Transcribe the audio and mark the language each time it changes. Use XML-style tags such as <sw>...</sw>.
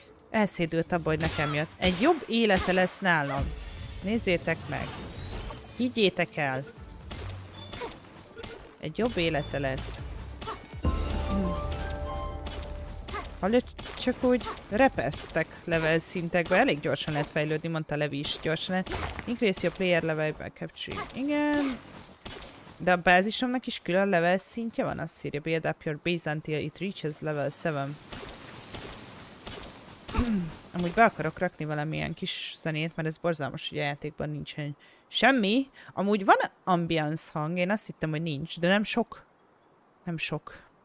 <hu>Elszédült abba, hogy nekem jött. Egy jobb élete lesz nálam. Nézzétek meg. Higgyétek el. Egy jobb élete lesz. Hallod, csak úgy repesztek level szintekbe. Elég gyorsan lehet fejlődni, mondta Levi is gyorsan lehet.</hu> <en>Increase your player level capture.</en> <hu>Igen. De a bázisomnak is külön level szintje van, azt írja.</hu> <en>Build up your base until it reaches level 7.</en> <hu>Amúgy be akarok rakni valamilyen kis zenét, mert ez borzalmas, hogy a játékban nincsen semmi. Amúgy van ambiance hang, én azt hittem, hogy nincs, de nem sok. Nem sok.</hu>